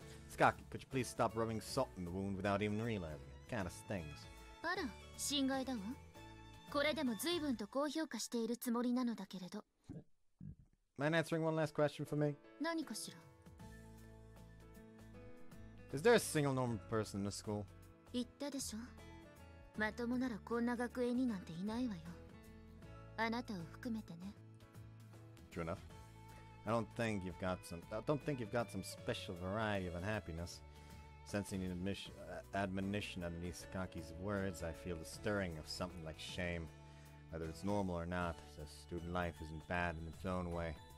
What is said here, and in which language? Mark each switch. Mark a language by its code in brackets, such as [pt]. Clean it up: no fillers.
[en] Sakaki, could you please stop rubbing salt in the wound without even realizing it? Kind of stings. [ja] あら、心外だわ。これでも随分と高評価しているつもりなのだけれど。 [en] Mind answering one last question for me? [ja] 何かしら? [en] Is there a single normal person in the school? [ja] 言ったでしょ? まともならこんな学園になんていないわよ。あなたを含めてね。 [en] true enough. I don't think you've got some special variety of unhappiness. Sensing an admonition underneath Sakaki's words, I feel the stirring of something like shame. Whether it's normal or not, this student life isn't bad in its own way.